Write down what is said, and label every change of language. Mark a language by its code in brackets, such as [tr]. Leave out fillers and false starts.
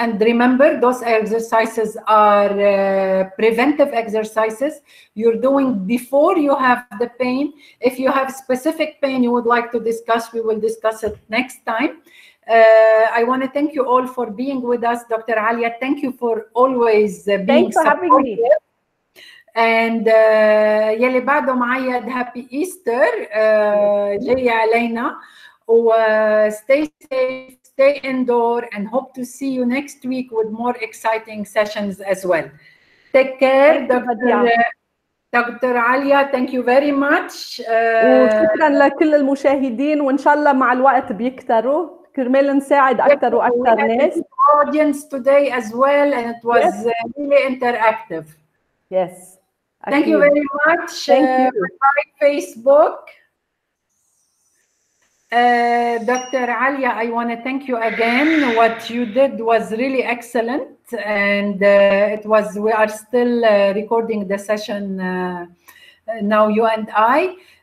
[en] And remember, those exercises are preventive exercises you're doing before you have the pain. If you have specific pain you would like to discuss, we will discuss it next time. I want to thank you all for being with us, Dr. Alia. Thank you for always being supportive. And [ar] يلي بعده معايا [en] happy Easter [ar] جاي علينا. [en] Stay safe, stay indoor, and hope to see you next week with more exciting sessions as well. Take care, Dr. Alia. Thank you very much. [ar] وشكرا لكل المشاهدين وان شاء الله مع الوقت بيكتروا. كرمال نساعد اكثر واكثر ناس. [en] Audience today as well, and it was really interactive. Yes. Thank you very much. Thank you. My Facebook. Dr. Alia, I want to thank you again. What you did was really excellent, and it was, we are still recording the session now, you and I.